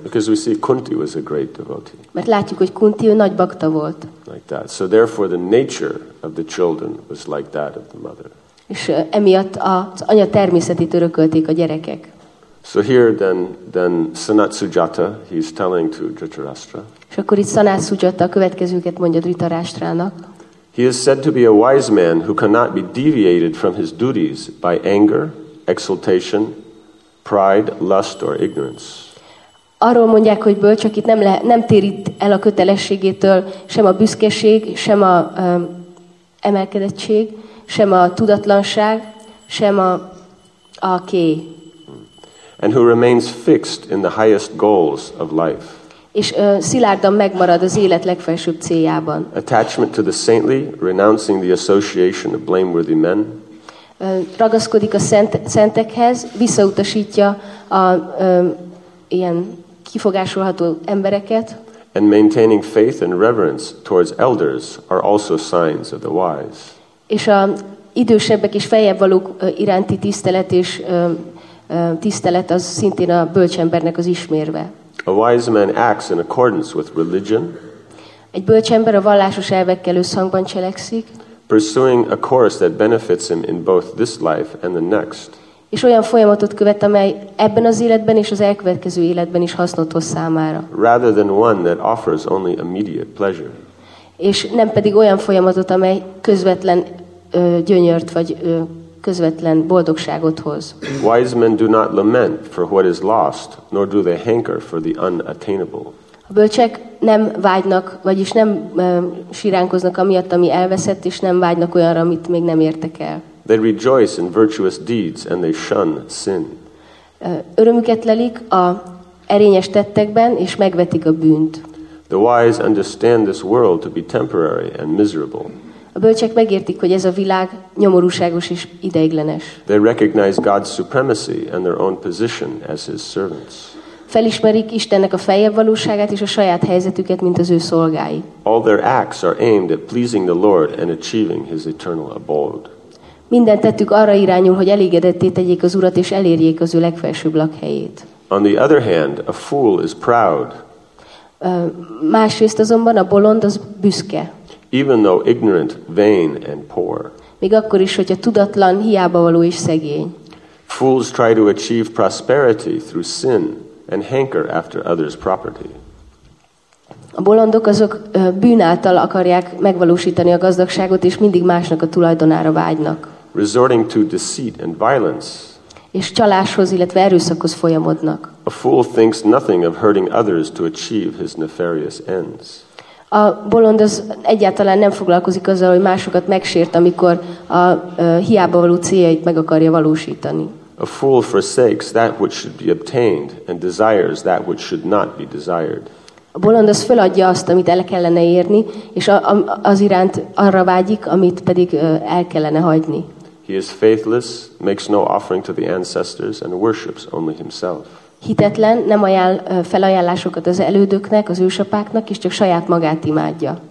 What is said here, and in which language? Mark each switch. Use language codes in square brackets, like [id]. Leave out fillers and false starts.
[en] Because we see Kunti was a great devotee. [hu] Mert látjuk, hogy Kunti ő nagy bakta volt. [en] Like that. So therefore the nature of the children was like that of the mother. [hu] És emiatt az anya természetét örökölték a gyerekek. [en] So here then Sanat Sujata, he's telling to Dhritarashtra. [hu] És akkor itt Sanat Sujata a következőket mondja Dhritarashtrának. [en] He is said to be a wise man who cannot be deviated from his duties by anger, exultation, pride, lust or ignorance. [hu] Arról mondják, hogy bölcs, akit nem térít el a kötelességétől sem a büszkeség, sem a emelkedettség, sem a tudatlanság, sem a kéj. [en] And who remains fixed in the highest goals of life. [hu] És szilárdan megmarad az élet legfelsőbb céljában. [en] Attachment to the saintly, renouncing the association of blameworthy men. [hu] Ragaszkodik a szentekhez, visszautasítja a ilyen kifogásolható embereket. [en] And maintaining faith and reverence towards elders are also signs of the wise. [hu] És a idősebbek és feljebb valók iránti tisztelet és tisztelet az szintén a bölcsembernek az ismérve. [en] A wise man acts in accordance with religion. [hu] Egy bölcsember a vallásos elvekkel összhangban cselekszik. [en] Pursuing a course that benefits him in both this life and the next. [hu] És olyan folyamatot követ, amely ebben az életben és az elkövetkező életben is hasznot hoz számára. [en] Rather than one that offers only immediate pleasure. [hu] És nem pedig olyan folyamatot, amely közvetlen gyönyört vagy közvetlen boldogságot hoz. [en] Wise men do not lament for what is lost, nor do they hanker for the unattainable. [hu] A bölcsek nem vágynak, vagyis nem síránkoznak amiatt, ami elveszett, és nem vágynak olyanra, amit még nem értek el. [en] They rejoice in virtuous deeds and they shun sin. [hu] Örömüket lelik a erényes tettekben és megvetik a bűnt. [en] The wise understand this world to be temporary and miserable. [hu] A bölcsek megértik, hogy ez a világ nyomorúságos és ideiglenes. [en] They recognize God's supremacy and their own position as his servants. [hu] Felismerik Istennek a feljebb valóságát és a saját helyzetüket, mint az ő szolgái. [en] All their acts are aimed at pleasing the Lord and achieving his eternal abode. [hu] Minden tettük arra irányul, hogy elégedetté tegyék az Urat és elérjék az ő legfelsőbb lakhelyét. [en] On the other hand, a fool is proud. [hu] Másrészt azonban a bolond az büszke. [en] Even though ignorant, vain and poor. [hu] Még akkor is, hogyha tudatlan, hiába való és szegény. [en] Fools try to achieve prosperity through sin and hanker after others' property. [hu] A bolondok azok bűn által akarják megvalósítani a gazdagságot és mindig másnak a tulajdonára vágynak. [en] Resorting to deceit and violence. [hu] És csaláshoz, illetve erőszakhoz folyamodnak. [en] A fool thinks nothing of hurting others to achieve his nefarious ends. [hu] A bolond az egyáltalán nem foglalkozik azzal, hogy másokat megsért, amikor a hiába való céljait meg akarja valósítani. [en] A fool forsakes that which should be obtained and desires that which should not be desired. [hu] A bolond az feladja azt, amit el kellene érni, és az iránt arra vágyik, amit pedig el kellene hagyni. [en] He is faithless, makes no offering to the ancestors, and worships only himself. [hu] Hitetlen, nem ajánl felajánlásokat az elődöknek, az ősapáknak, és csak saját magát imádja.